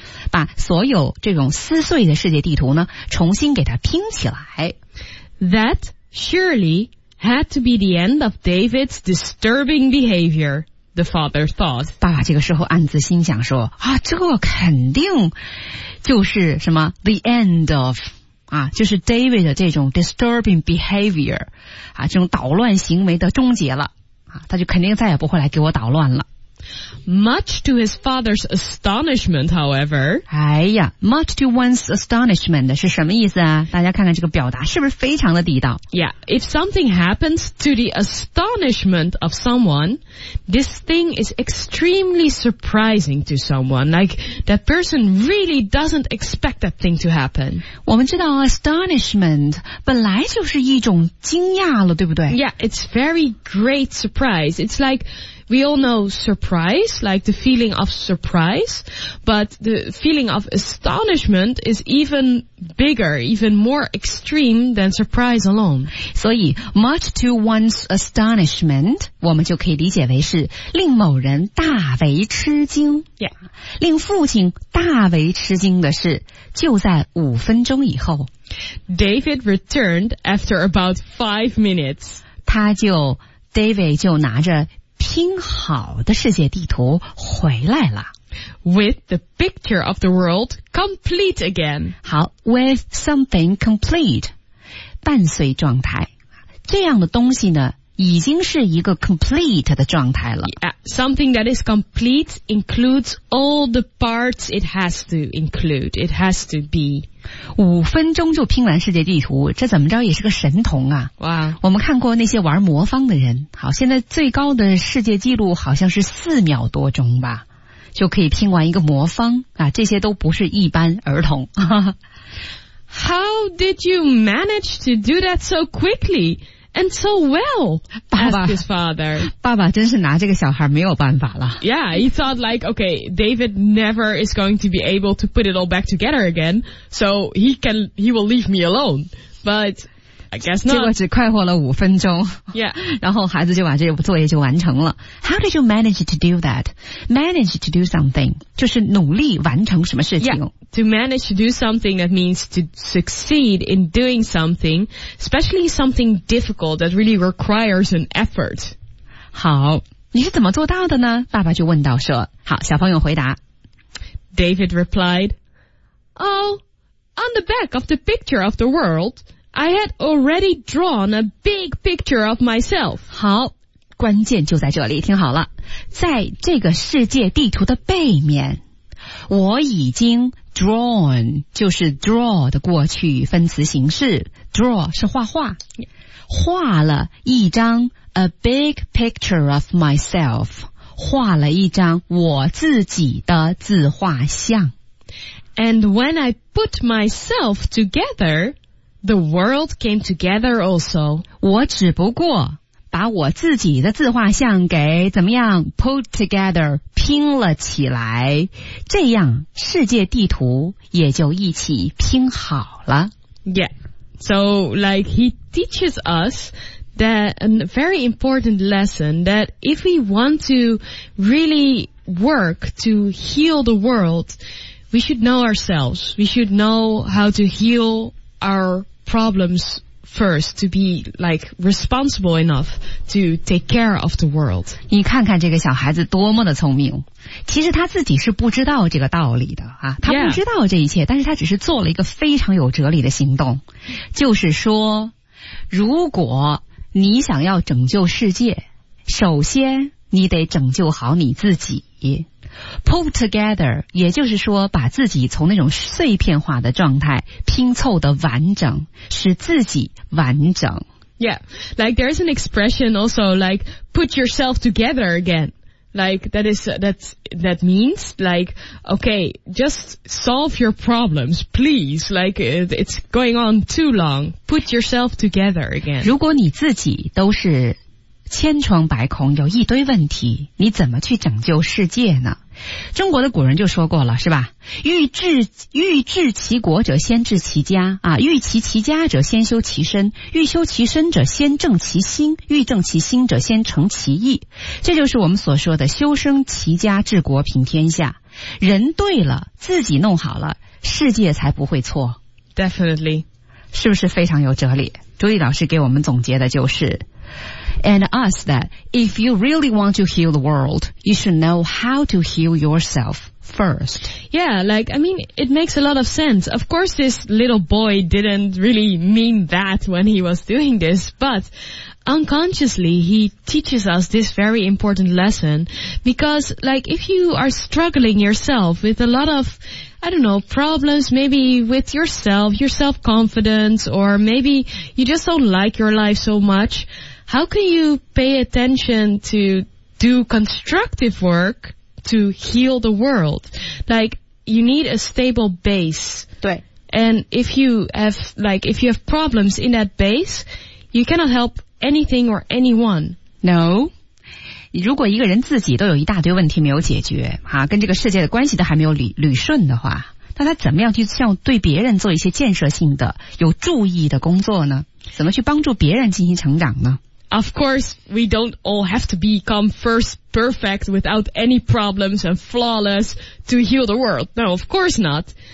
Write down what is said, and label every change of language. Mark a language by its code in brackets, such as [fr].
[zh] 把所有这种撕碎的世界地图呢，重新给它拼起来。 [en] That surely had to be the end of David's disturbing behavior. The father thought. [zh] 爸爸这个时候暗自心想说啊，这肯定就是什么 [en] the end of [zh] 啊，就是 David 的这种 [en] disturbing behavior [zh] 啊，这种捣乱行为的终结了啊，他就肯定再也不会来给我捣乱了。 [en] Much to his father's astonishment, however. [zh] 哎呀， [en] much to one's astonishment [zh] 是什么意思啊？大家看看这个表达是不是非常的地道？ [en] Yeah, if something happens to the astonishment of someone, this thing is extremely surprising to someone. Like, that person really doesn't expect that thing to happen. [zh] 我们知道 astonishment 本来就是一种惊讶了，对不对？ [en] Yeah, it's very great surprise. It's like... We all know surprise, like the feeling of surprise, but the feeling of astonishment is even bigger, even more extreme than surprise alone. [zh] 所以 [en] much to one's astonishment, [zh] 我们就可以理解为是令某人大为吃惊。 [en] Yeah. [zh] 令父亲大为吃惊的是就在五分钟以后。 [en] David returned after about 5 minutes. [zh] David 就拿着拼好的世界地图回来了。 [en] With the picture of the world complete again. [zh] 好， [en] with something complete, [zh] 伴随状态。这样的东西呢已经是一个 complete 的状态了。 [en] Yeah, something that is complete includes all the parts it has to include. It has to be. [zh] 五分钟就拼完世界地图，这怎么着也是个神童啊。哇、wow. 我们看过那些玩魔方的人，好，现在最高的世界纪录好像是四秒多钟吧。就可以拼完一个魔方啊，这些都不是一般儿童。 [en] How did you manage to do that so quickly and so well? [zh] 爸爸 [en] asked his father. [zh] 爸爸真是拿这个小孩没有办法了。 [en] Yeah, he thought like, okay, David never is going to be able to put it all back together again, so he will leave me alone. But I guess not. [zh] 结果只快活了五分钟。 [en] Yeah. [zh] 然后孩子就把这个作业就完成了。 [en] How did you manage to do that? Manage to do something, [zh] 就是努力完成什么事情。 [en] Yeah. To manage to do something, that means to succeed in doing something, especially something difficult that really requires an effort. [zh] 好，你是怎么做到的呢？爸爸就问道说。好，小朋友回答。 [en] David replied, Oh, on the back of the picture of the world,I had already drawn a big picture of myself. [zh] 好，关键就在这里，听好了。在这个世界地图的背面，我已经 drawn, 就是 draw 的过去分词形式。 draw 是画画。画了一张 [en] a big picture of myself, [zh] 画了一张我自己的自画像。 [en] And when I put myself together,The world came together also. [zh] 我只不过把我自己的自画像给怎么样 [en] put together, [zh] 拼了起来，这样世界地图也就一起拼好了。 [en] Yeah. So like he teaches us that a very important lesson that if we want to really work to heal the world, we should know ourselves. We should know how to healOur problems first to be like responsible enough to take care of the world. [zh] 你看看这个小孩子多么的聪明，其实他自己是不知道这个道理的啊，他不知道这一切，但是他只是做了一个非常有哲理的行动，就是说，如果你想要拯救世界，首先你得拯救好你自己。 [en] Pull together, [zh] 也就是说把自己从那种碎片化的状态拼凑的完整，使自己完整。 [en] Yeah, like there's an expression also like put yourself together again. Like that means like, okay, just solve your problems, please. Like it's going on too long. Put yourself together again. [zh] 如果你自己都是千疮百孔，有一堆问题，你怎么去拯救世界呢？中国的古人就说过了，是吧？欲治其国者先治其家啊，欲齐其家者先修其身，欲修其身者先正其心，欲正其心者先诚其意。这就是我们所说的修身齐家治国平天下。人对了，自己弄好了，世界才不会错。 [en] Definitely. [zh] 是不是非常有哲理？朱毅老师给我们总结的就是 [en] And us that if you really want to heal the world, you should know how to heal yourself first. Yeah, like, I mean, it makes a lot of sense. Of course, this little boy didn't really mean that when he was doing this, but unconsciously, he teaches us this very important lesson because, like, if you are struggling yourself with a lot of, I don't know, problems, maybe with yourself, your self-confidence, or maybe you just don't like your life so much,How can you pay attention to do constructive work to heal the world? Like, you need a stable base. [zh] 对。 [en] And if you have problems in that base, you cannot help anything or anyone. No. [zh] 如果一个人自己都有一大堆问题没有解决啊，跟这个世界的关系都还没有捋顺的话，那他怎么样去像对别人做一些建设性的、有注意的工作呢？怎么去帮助别人进行成长呢？ [en] Of course, we don't all have to become first perfect without any problems and flawless to heal the world. No, of course not.